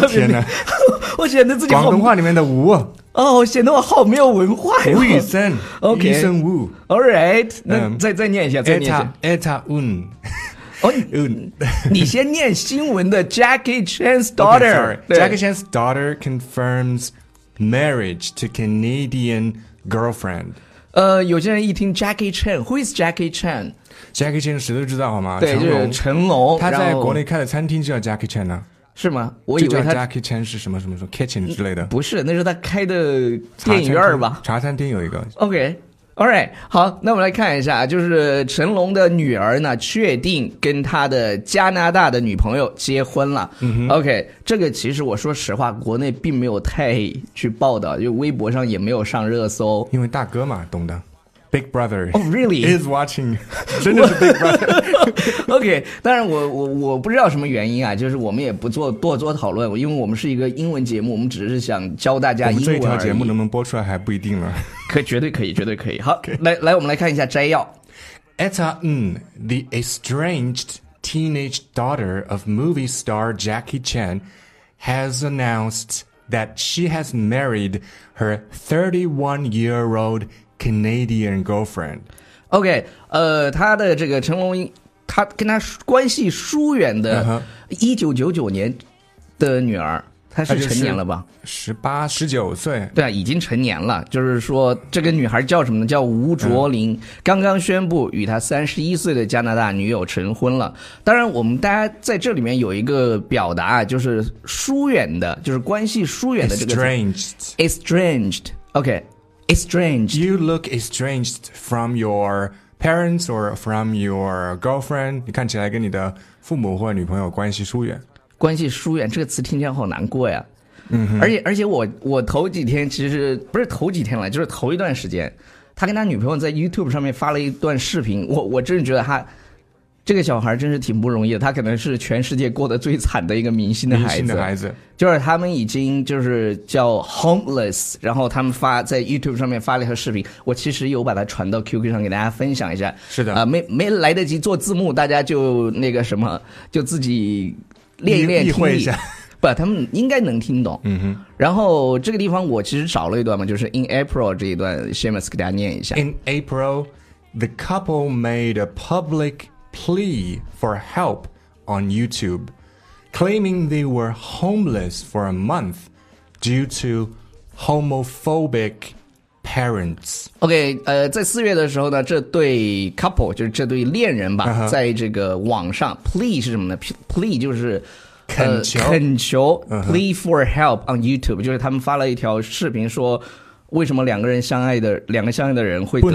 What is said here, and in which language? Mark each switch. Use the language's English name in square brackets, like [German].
[Chinese] 我天哪。我显得自己好。广东话里面的吴。哦，显得我好没有文化呀。吴宇森。 [English] OK。 [Chinese] 医生吴。 Alright, 那再念一下，再念一下。 [English] Etta Un。 [Chinese] 你先念新闻的 [English] Jackie Chan's daughter。 Okay, Jackie Chan's daughter confirms marriage to Canadian girlfriend。 [Chinese] 有些人一听 [English] Jackie Chan, who is Jackie Chan? [Chinese] Jackie Chan 谁都知道好吗？对，成龙。就是、成龙，他在国内开的餐厅就叫 Jackie Chan 呢、啊？是吗？我以为他 Jackie Chan 是什么什么什么 kitchen 之类的？不是，那是他开的电影院吧？茶餐厅有一个。 OK, alright, 好，那我们来看一下，就是成龙的女儿呢，确定跟他的加拿大的女朋友结婚了。 OK, 这个其实我说实话，国内并没有太去报道，就微博上也没有上热搜，因为大哥嘛，懂的。 [English] Big brother. Oh, really? Is watching. [Chinese] 真的是 [English] big brother. [Chinese] OK, 当然我不知道什么原因啊，就是我们也不做多做讨论，因为我们是一个英文节目，我们只是想教大家英文而已。我们这一条节目能不能播出来还不一定了。可绝对可以，绝对可以。好、okay. 来我们来看一下摘要。 [English] Etta Un, the estranged teenage daughter of movie star Jackie Chan, has announced that she has married her 31-year-old Canadian girlfriend. [Chinese] OK, 他的这个成龙，他跟他关系疏远的1999年的女儿，她是成年了吧？ 18、19岁。对啊，已经成年了。就是说这个女孩叫什么呢？叫吴卓林，刚刚宣布与她31岁的加拿大女友成婚了。当然我们大家在这里面有一个表达，就是疏远的，就是关系疏远的这个。 [English] Estranged. OK. Estranged. You look estranged from your parents or from your girlfriend. [Chinese] 你看起来跟你的父母或女朋友关系疏远。关系疏远这个词听起来好难过呀。嗯哼。而且我头几天其实不是头几天了，就是头一段时间，他跟他女朋友在 YouTube 上面发了一段视频，我真的觉得他这个小孩真是挺不容易的，他可能是全世界过得最惨的一个明星的孩子。明星的孩子。就是他们已经就是叫 homeless, 然后他们发在 YouTube 上面发了一条视频，我其实有把它传到 QQ 上给大家分享一下。是的。没来得及做字幕，大家就那个什么，就自己练一练听力。意会一下。不，他们应该能听懂。嗯哼。然后这个地方我其实找了一段嘛，就是 [English] in April [Chinese] 这一段 Seamus 给大家念一下。 [English] In April, the couple made a publicplea for help on YouTube, claiming they were homeless for a month due to homophobic parents. [Chinese] OK, 在四月的时候呢，这对 couple, 就是这对恋人吧、uh-huh. 在这个网上 plea 是什么呢？ plea 就是恳求、 uh-huh. [English] plea for help on YouTube, [Chinese] 就是他们发了一条视频说为什么两个相爱的人会得到